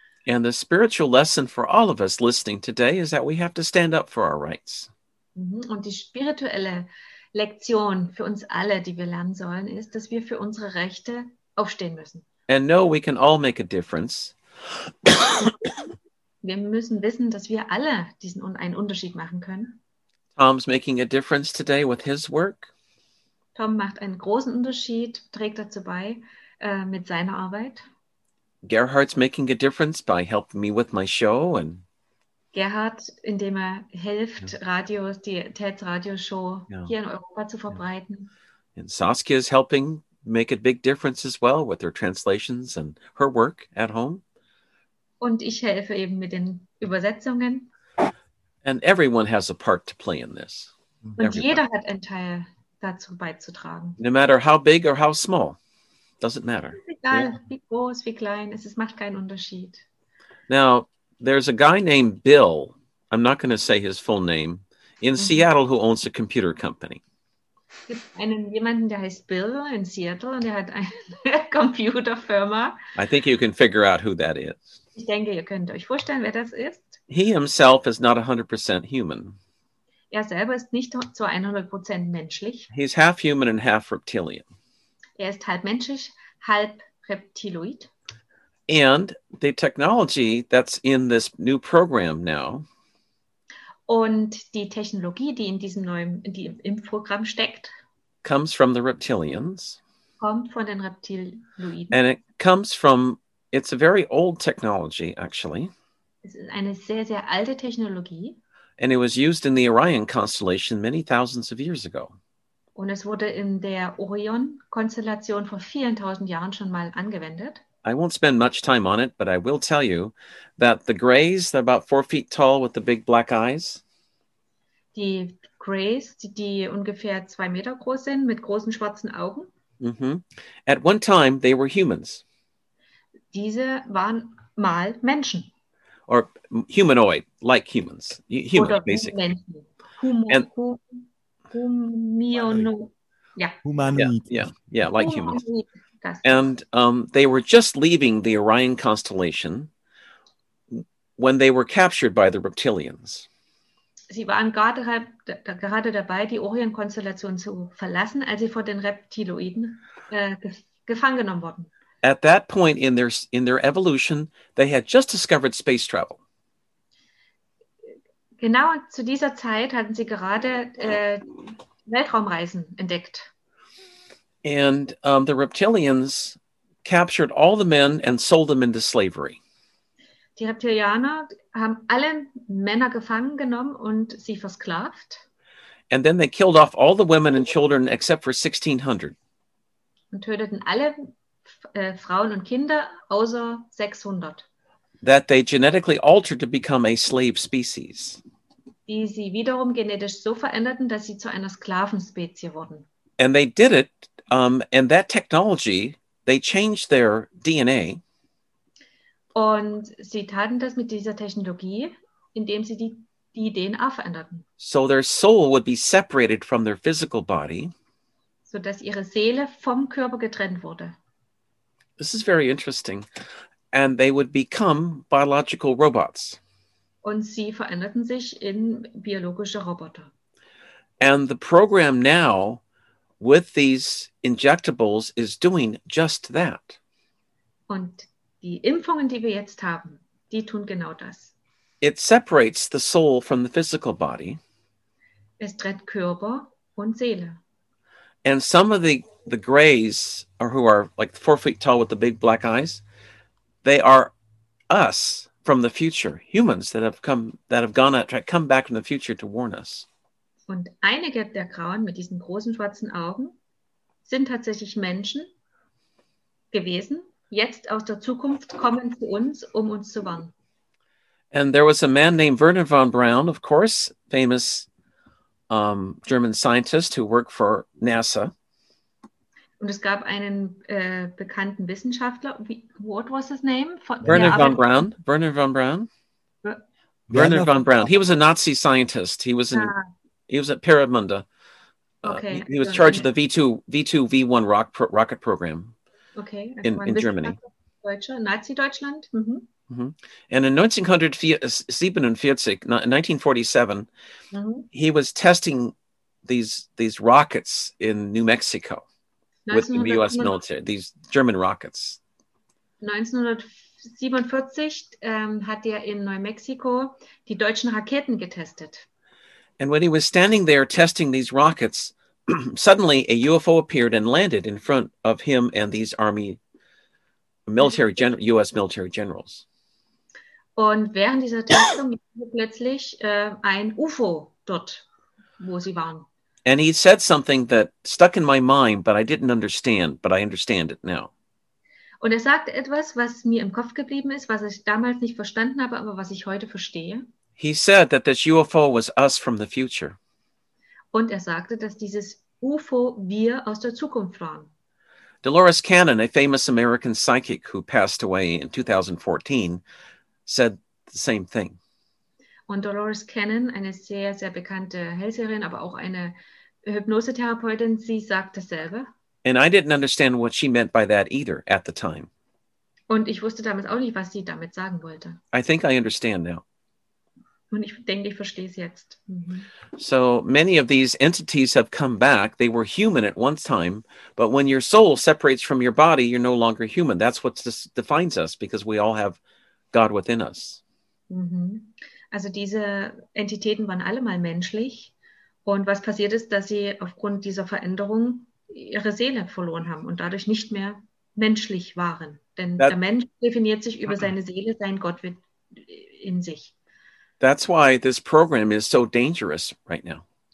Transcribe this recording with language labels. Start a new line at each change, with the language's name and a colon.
English: And the spiritual lesson for all of us listening today is that we have to stand up for our rights.
German: Und die spirituelle Lektion für uns alle, die wir lernen sollen, ist, dass wir für unsere Rechte aufstehen müssen.
English: And know we can all make a difference.
German: Wir müssen wissen, dass wir alle diesen einen Unterschied machen können.
English: Tom's making a difference today with his work.
German: Tom macht einen großen Unterschied, trägt dazu bei mit seiner Arbeit.
English: Gerhard's making a difference by helping me with my show and
German: Gerhard, indem er hilft, Radios, die TED Radio Show hier in Europa zu verbreiten.
English: And Saskia is helping make a big difference as well with her translations and her work at home.
German: Und ich helfe eben mit den Übersetzungen.
English: And everyone has a part to play in this.
German: Und jeder hat einen Teil dazu beizutragen.
English: No matter how big or how small, doesn't matter.
German: Es ist egal, wie groß, wie klein, es macht keinen Unterschied.
English: Now, there's a guy named Bill, I'm not going to say his full name, in Seattle who owns a computer company.
German: Es gibt jemanden, der heißt Bill in Seattle und der hat eine Computerfirma.
English: I think you can figure out who that is.
German: Ich denke, ihr könnt euch vorstellen, wer das ist.
English: He himself is not 100% human.
German: Er selber ist nicht zu 100% menschlich.
English: He's half human and half reptilian.
German: Er ist halb menschlich, halb reptiloid.
English: And the technology that's in this new program now.
German: Und die Technologie, die in diesem im Programm steckt,
English: comes from the reptilians.
German: Kommt von den Reptiloiden.
English: And it comes from, it's a very old technology, actually.
German: Es ist eine sehr, sehr alte Technologie.
English: And it was used in the Orion constellation many thousands of years ago.
German: Und es wurde in der Orion-Konstellation vor vielen tausend Jahren schon mal angewendet.
English: I won't spend much time on it, but I will tell you that the grays, they're about 4 feet tall with the big black eyes.
German: Die grays, die ungefähr 2 Meter groß sind, mit großen schwarzen Augen. Mm-hmm.
English: At one time, they were humans.
German: Diese waren mal Menschen.
English: Or humanoid, like humans. Human, oder basically. Humanoid. Humans. And they were just leaving the Orion constellation when they were captured by the reptilians.
German: Sie waren gerade dabei, die Orion-Konstellation zu verlassen, als sie von den Reptiloiden gefangen genommen wurden.
English: At that point in their evolution, they had just discovered space travel.
German: Genau zu dieser Zeit hatten sie gerade Weltraumreisen entdeckt.
English: And the reptilians captured all the men and sold them into slavery.
German: Die Reptilianer haben alle Männer gefangen genommen und sie versklavt.
English: And then they killed off all the women and children except for 1600.
German: Und töteten alle Frauen und Kinder außer 600.
English: That they genetically altered to become a slave species.
German: Die sie wiederum genetisch so veränderten, dass sie zu einer Sklavenspezies wurden.
English: And they did it. And that technology, they changed their DNA.
German: Und sie taten das mit dieser Technologie, indem sie die DNA veränderten.
English: So their soul would be separated from their physical body.
German: So dass ihre Seele vom Körper getrennt wurde.
English: This is very interesting. And they would become biological robots.
German: Und sie veränderten sich in biologische Roboter.
English: And the program now with these injectables is doing just that.
German: Und die Impfungen, die wir jetzt haben, die tun genau das.
English: It separates the soul from the physical body.
German: Es trennt Körper und Seele.
English: And some of the grays, or who are like 4 feet tall with the big black eyes, they are us from the future, humans that have come back from the future to warn us.
German: Und einige der Grauen mit diesen großen schwarzen Augen sind tatsächlich Menschen gewesen, jetzt aus der Zukunft kommen zu uns, um uns zu warnen.
English: And there was a man named Wernher von Braun, of course, famous German scientist who worked for NASA.
German: Und es gab einen bekannten Wissenschaftler,
English: what was his name? Wernher von Braun. He was a Nazi scientist. He was at Peramunda. Okay. He was charged with the V2, V1 rocket program. Okay. In Germany.
German: Nazi Deutschland.
English: And in 1947, he was testing these rockets in New Mexico with the U.S. military, these German rockets.
German: 1947 hat er in New Mexico die deutschen Raketen getestet.
English: And when he was standing there testing these rockets, suddenly a UFO appeared and landed in front of him and these U.S. military generals.
German: Und während dieser Testung war plötzlich ein UFO dort, wo sie waren.
English: And he said something that stuck in my mind, but I didn't understand, but I understand it now.
German: Und er sagte etwas, was mir im Kopf geblieben ist, was ich damals nicht verstanden habe, aber was ich heute verstehe.
English: He said that this UFO was us from the future.
German: Und er sagte, dass dieses UFO wir aus der Zukunft waren.
English: Dolores Cannon, a famous American psychic who passed away in 2014, said the same thing.
German: Und Dolores Cannon, eine sehr, sehr bekannte Hellseherin, aber auch eine Hypnosetherapeutin, sie sagt dasselbe.
English: And I didn't understand what she meant by that either at the time.
German: Und ich wusste damals auch nicht, was sie damit sagen wollte.
English: I think I understand now.
German: Und ich denke, ich verstehe es jetzt.
English: So many of these entities have come back. They were human at one time. But when your soul separates from your body, you're no longer human. That's what defines us, because we all have God within us.
German: Also diese Entitäten waren alle mal menschlich. Und was passiert ist, dass sie aufgrund dieser Veränderung ihre Seele verloren haben und dadurch nicht mehr menschlich waren. Denn der Mensch definiert sich über seine Seele, sein Gott in sich.
English: That's why this program is so dangerous right now.